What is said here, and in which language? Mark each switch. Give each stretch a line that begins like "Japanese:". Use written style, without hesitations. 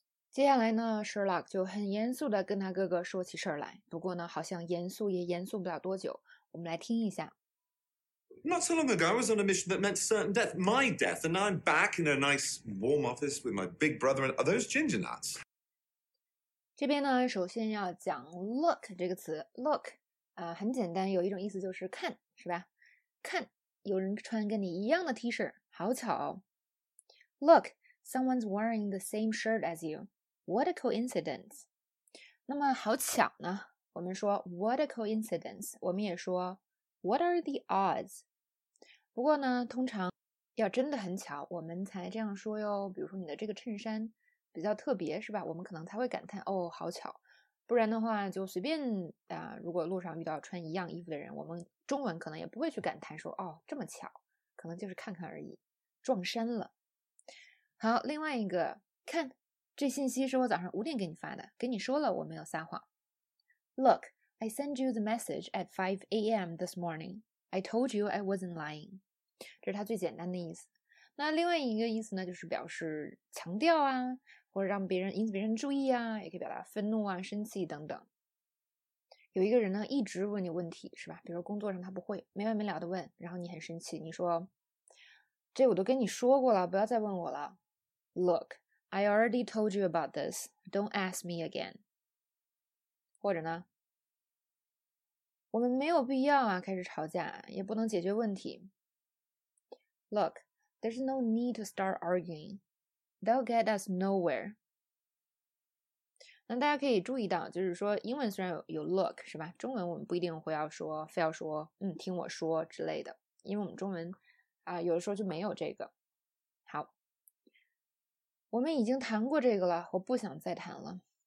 Chinese: 接下来呢，Sherlock 就很严肃地跟他哥哥说起事儿来。不过呢，好像严肃也严肃不了多久。我们来听一下。
English: Not so long ago, I was on a mission that meant certain death, my death, and now I'm back in a nice warm office with my big brother. And are those ginger nuts?
Chinese: 这边呢，首先要讲 look 这个词，look，很简单，有一种意思就是看，是吧？看，有人穿跟你一样的 T 恤，好巧哦。
English: Look, someone's wearing the same shirt as you. What a coincidence!
Chinese: 那么好巧呢？我们说
English: "What a coincidence!"
Chinese: 我们也说
English: "What are the odds?"
Chinese: 不过呢，通常要真的很巧，我们才这样说哟。比如说你的这个衬衫比较特别，是吧？我们可能才会感叹"哦，好巧"。不然的话，就随便啊，如果路上遇到穿一样衣服的人，我们中文可能也不会去感叹说"哦，这么巧"，可能就是看看而已，撞衫了。好，另外一个，看，这信息是我早上5点给你发的，跟你说了，我没有撒谎。
English: Look, I send you the message at 5 a.m. this morning. I told you I wasn't lying.
Chinese: 这是它最简单的意思。那另外一个意思呢，就是表示强调啊，或者让别人引起别人注意啊，也可以表达愤怒啊、生气等等。有一个人呢，一直问你问题，是吧？比如工作上他不会，没完没了的问，然后你很生气，你说："这我都跟你说过了，不要再问我了。"
English: Look, I already told you about this. Don't ask me again.
Chinese: 或者呢，我们没有必要啊，开始吵架，也不能解决问题。
English: Look, there's no need to start arguing. They'll get us nowhere.
Chinese: 那大家可以注意到，就是说，英文虽然有 look 是吧，中文我们不一定会要说，非要说，听我说之类的，因为我们中文有的时候就没有这个。好，我们已经谈过这个了，我不想再谈了。